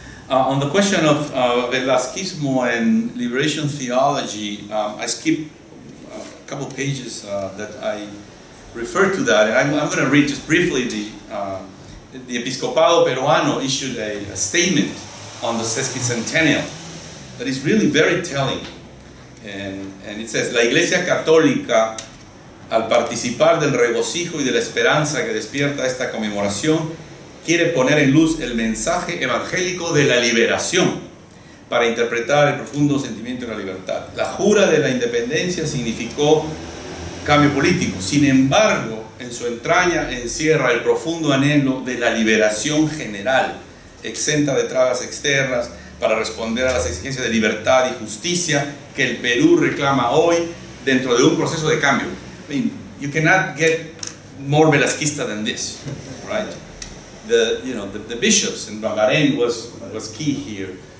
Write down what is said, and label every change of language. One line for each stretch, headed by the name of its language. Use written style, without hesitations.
English: On the question of Velasquismo and liberation theology, I skipped a couple pages that I referred to that, and I'm going to read just briefly the the Episcopado Peruano issued a statement on the sesquicentennial that is really very telling. And it says,
Spanish: La Iglesia Católica, al participar del regocijo y de la esperanza que despierta esta conmemoración, quiere poner en luz el mensaje evangélico de la liberación para interpretar el profundo sentimiento de la libertad. La jura de la independencia significó cambio político. Sin embargo, en su entraña encierra el profundo anhelo de la liberación general, exenta de trabas externas para responder a las exigencias de libertad y justicia que el Perú reclama hoy dentro de un proceso de cambio.
English: I mean, you cannot get more Velasquista than this, right? The, you know, the bishops in Bagarén was key here.